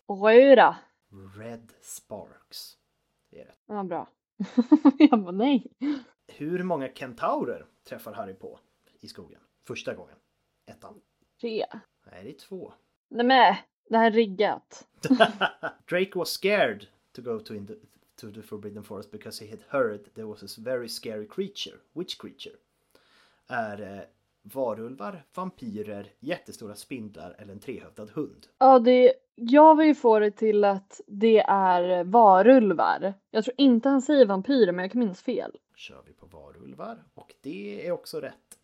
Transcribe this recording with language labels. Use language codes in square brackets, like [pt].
[sv] Röra. [en] Red sparks. [sv] Det är rätt. Ja, bra. Jag bara, nej. Hur många kentaurer träffar Harry på i skogen första gången? Ettan. Tre. Nej, det är två. Nej, men det här är riggat. [en] Drake was scared to go to the Forbidden Forest because he had heard there was this very scary creature. Which creature? [sv] Är varulvar, vampyrer, jättestora spindlar eller en trehövdad hund? Ja, jag vill ju få det till att det är varulvar. Jag tror inte han säger vampyrer, men jag kan minnas fel. Kör vi på varulvar och det är också rätt.